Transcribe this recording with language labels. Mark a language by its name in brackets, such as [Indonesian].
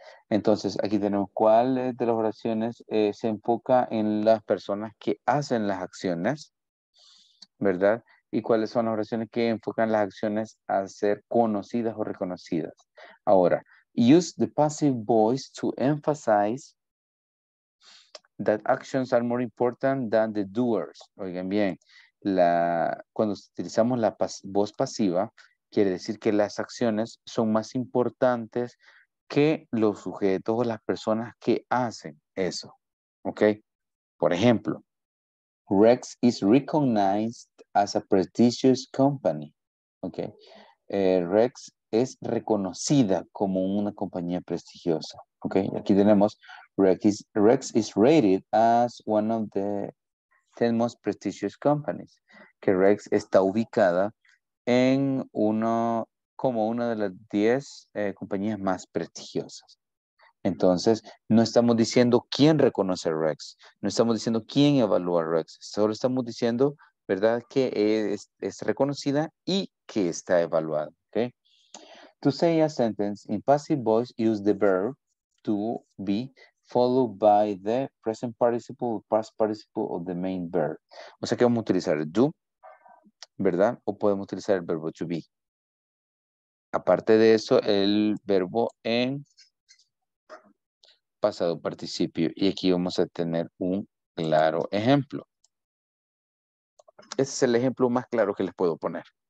[Spanish] Entonces, aquí tenemos cuál de las oraciones se enfoca en las personas que hacen las acciones, ¿verdad? Y cuáles son las oraciones que enfocan las acciones a ser conocidas o reconocidas. [English] Ahora, use the passive voice to emphasize that actions are more important than the doers. [Spanish] Oigan bien, cuando utilizamos la voz pasiva, quiere decir que las acciones son más importantes que los sujetos o las personas que hacen eso. [English] ¿Ok? [Spanish] Por ejemplo, [English] Rex is recognized as a prestigious company. ¿Ok? [Spanish] Rex es reconocida como una compañía prestigiosa. ¿Ok? Aquí tenemos [English] Rex is rated as one of the 10 most prestigious companies. [Spanish] Que Rex está ubicada en uno como una de las 10 compañías más prestigiosas. Entonces, no estamos diciendo quién reconoce a Rex, no estamos diciendo quién evalúa a Rex, solo estamos diciendo, ¿verdad?, que es reconocida y que está evaluada, ¿okay? [English] To say a sentence in passive voice, use the verb to be followed by the present participle or past participle of the main verb. [Spanish] O sea, que vamos a utilizar el do, ¿verdad? O podemos utilizar el verbo to be. Aparte de eso, el verbo en pasado participio. Y aquí vamos a tener un claro ejemplo. Ese es el ejemplo más claro que les puedo poner.